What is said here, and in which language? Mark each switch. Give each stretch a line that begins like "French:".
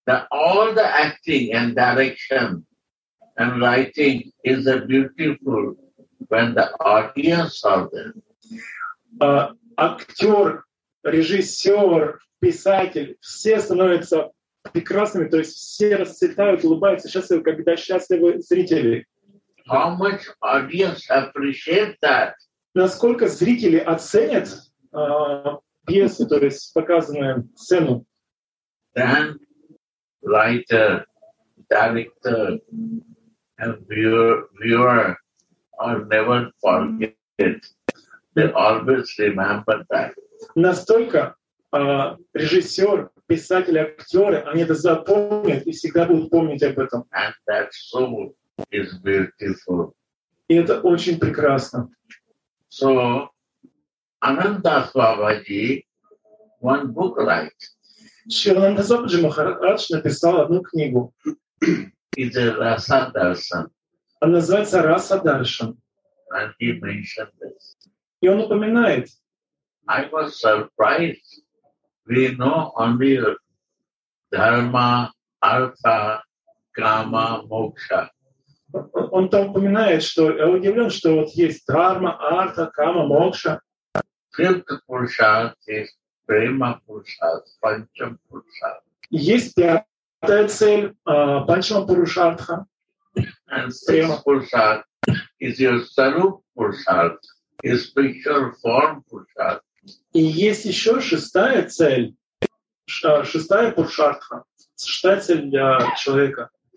English: All the acting and direction and writing is a beautiful when the audience are there.
Russian: Актер, режиссер, писатель, все становятся прекрасными, то есть все расцветают, улыбаются, счастливы зрители.
English: How much audience appreciate that?
Russian: Насколько зрители оценят пьесу, то есть показанную сцену?
English: Then writer, director, and viewer are never forget. They always remember that.
Russian: Настолько режиссер, писатель, актеры, они это запомнят и всегда будут помнить об этом.
English: And that soul is beautiful.
Russian: И это очень прекрасно.
English: So, Ananda Swabaji, one book writes.
Russian: Шиванда Сабаджи Махарадж написал одну книгу.
English: It's a Rasa Darshan.
Russian: Она называется Rasa Darshan.
English: And he mentioned this.
Russian: И он упоминает.
English: I was surprised. We know only Dharma, Artha, Kama, Moksha.
Russian: Он там упоминает, что я удивлен, что вот есть Dharma, Artha, Kama, Moksha.
English: Fifth Pursha is Prema Pursha, Pancham Pursha.
Russian: Есть пятая цель Панчама Пурушартха.
English: And sixth Pursha is your Sarup Pursha, your spiritual form Pursha.
Russian: И есть еще шестая цель, шестая Пуршартха, шестая цель для человека.